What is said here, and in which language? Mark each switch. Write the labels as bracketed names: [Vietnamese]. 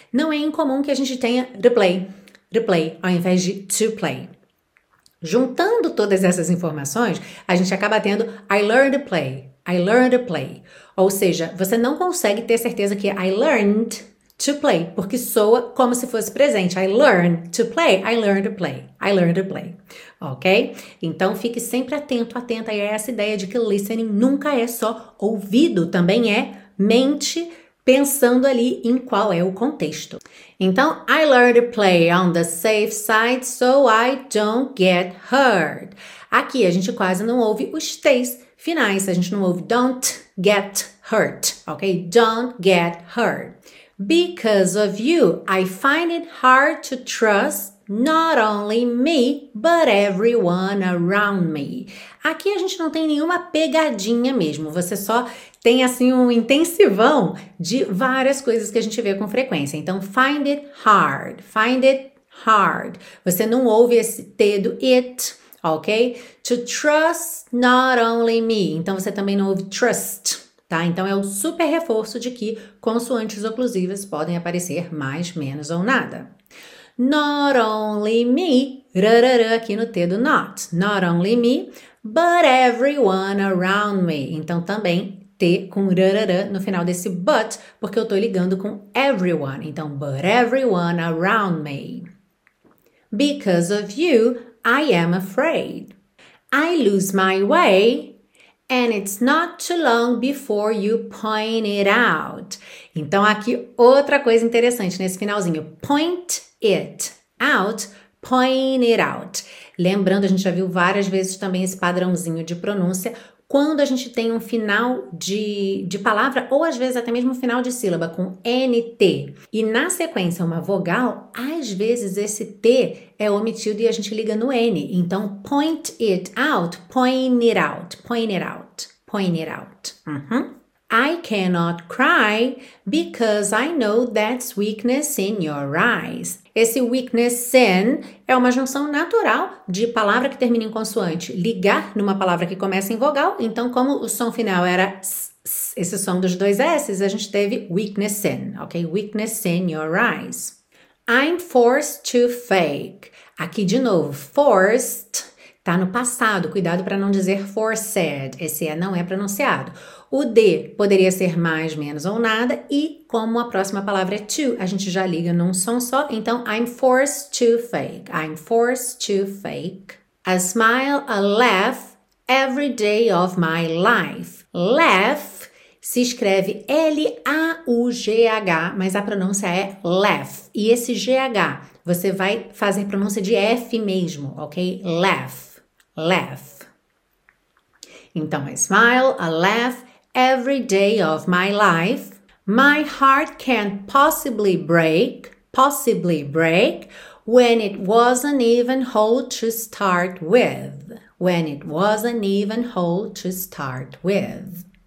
[Portuguese] Não é incomum que a gente tenha replay, ao invés de to play. Juntando todas essas informações, a gente acaba tendo [English] I learned to play. [Portuguese] Ou seja, você não consegue ter certeza que I learned [English] to play, [Portuguese] porque soa como se fosse presente. [English] I learned to play, I learned to play, I learned to play. Ok? [Portuguese] Então, fique sempre atento, atenta a essa ideia de que listening nunca é só ouvido, também é mente pensando ali em qual é o contexto. [English] Então, I learned to play on the safe side so I don't get hurt. [Portuguese] Aqui, a gente quase não ouve os T's finais. A gente não ouve [English] don't get hurt, [Portuguese] ok? [English] Don't get hurt. Because of you, I find it hard to trust not only me, but everyone around me. [Portuguese] Aqui a gente não tem nenhuma pegadinha mesmo. Você só tem assim um intensivão de várias coisas que a gente vê com frequência. [English] Então, find it hard. Find it hard. [Portuguese] Você não ouve esse T do it, ok? [English] To trust not only me. [Portuguese] Então, você também não ouve trust. Tá? Então, é um super reforço de que consoantes oclusivas podem aparecer mais, menos ou nada. [English] Not only me, [Portuguese] rarara, aqui no T do not. [English] Not only me, but everyone around me. [Portuguese] Então, também T com rarara no final desse but, porque eu estou ligando com everyone. [English] Então, but everyone around me. Because of you, I am afraid. I lose my way. And it's not too long before you point it out. [Portuguese] Então, aqui, outra coisa interessante nesse finalzinho. [English] Point it out, point it out. [Portuguese] Lembrando, a gente já viu várias vezes também esse padrãozinho de pronúncia. Quando a gente tem um final de palavra, ou às vezes até mesmo um final de sílaba, com NT. E na sequência, uma vogal, às vezes esse T é omitido e a gente liga no N. [English] Então, point it out, point it out, point it out, point it out. Uhum. I cannot cry because I know that's weakness in your eyes. [Portuguese] Esse [English] weakness in [Portuguese] é uma junção natural de palavra que termina em consoante ligar numa palavra que começa em vogal. Então, como o som final era s, esse som dos dois S, a gente teve [English] weakness in, [Portuguese] ok? [English] Weakness in your eyes. I'm forced to fake. [Portuguese] Aqui de novo, forced. Tá no passado, cuidado para não dizer forced, esse é, não é pronunciado. O D poderia ser mais, menos ou nada, e como a próxima palavra é to, a gente já liga num som só, então [English] I'm forced to fake, [Portuguese] I'm forced to fake. [English] A smile, a laugh, every day of my life. [Portuguese] Laugh se escreve L-A-U-G-H, mas a pronúncia é laugh, e esse G-H você vai fazer pronúncia de F mesmo, ok? [English] Laugh. Laugh. Então, I smile, a laugh, every day of my life. My heart can't possibly break, possibly break, when it wasn't even whole to start with. When it wasn't even whole to start with.